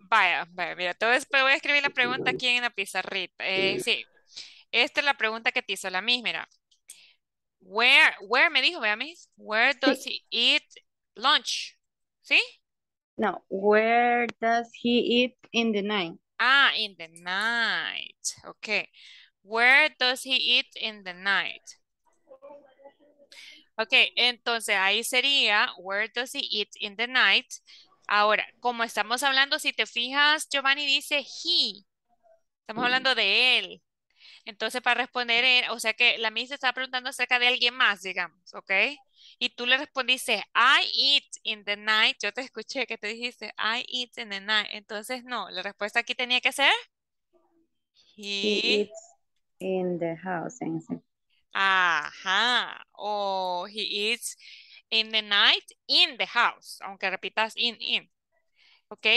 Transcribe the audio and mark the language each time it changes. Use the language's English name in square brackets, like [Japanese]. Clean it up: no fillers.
[Spanish] Vaya, mira, te voy a escribir la pregunta aquí en la pizarrita. Sí, esta es la pregunta que te hizo la Miss, mira. [English] Where [Spanish] me dijo, vea [English] Miss, where does he eat lunch? [Spanish] ¿Sí? [English] No, where does he eat in the night? Ah, in the night, okay. Where does he eat in the night? Okay, [Spanish] entonces ahí sería, [English] where does he eat in the night? [Spanish] Ahora, como estamos hablando, si te fijas, Giovanni dice he. Estamos hablando de él. Entonces, para responder él, o sea que la Miss estaba preguntando acerca de alguien más, digamos, ¿ok? Y tú le respondiste, [English] I eat in the night. [Spanish] Yo te escuché que te dijiste, [English] I eat in the night. [Spanish] Entonces, no, la respuesta aquí tenía que ser. [English] He eats in the house. Ajá. He eats in the night, in the house, [Spanish] aunque repitas [English] in, ¿ok?